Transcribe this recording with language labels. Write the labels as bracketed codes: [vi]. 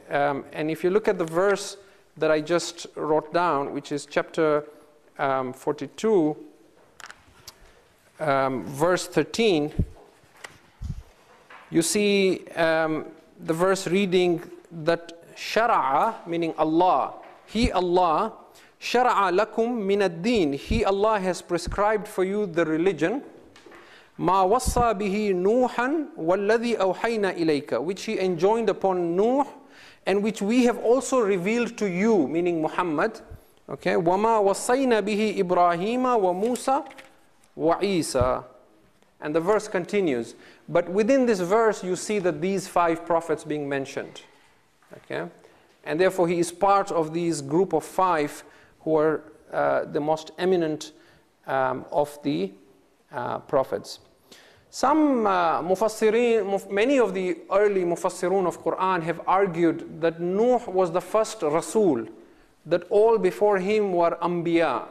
[en] And if you look at the verse that I just wrote down, which is chapter 42, verse 13, you see the verse reading that Shara'a, meaning Allah, He Allah, [ar] شَرَعَ لَكُمْ مِنَ الدِّينِ [en] He, Allah, has prescribed for you the religion. [ar] مَا وَصَّى بِهِ نُوحًا وَالَّذِي أَوْحَيْنَا إِلَيْكَ [en] Which he enjoined upon Nuh, and which we have also revealed to you, meaning Muhammad. Okay. [ar] وَمَا وَصَّيْنَا بِهِ إِبْرَاهِيمَ وَمُوسَى وَعِيسَى [en] And the verse continues. But within this verse, you see that these five prophets being mentioned. Okay. And therefore, he is part of these group of five who are the most eminent of the prophets. Some mufassirin, many of the early mufassirun of Quran have argued that Nuh was the first Rasul, that all before him were Anbiya.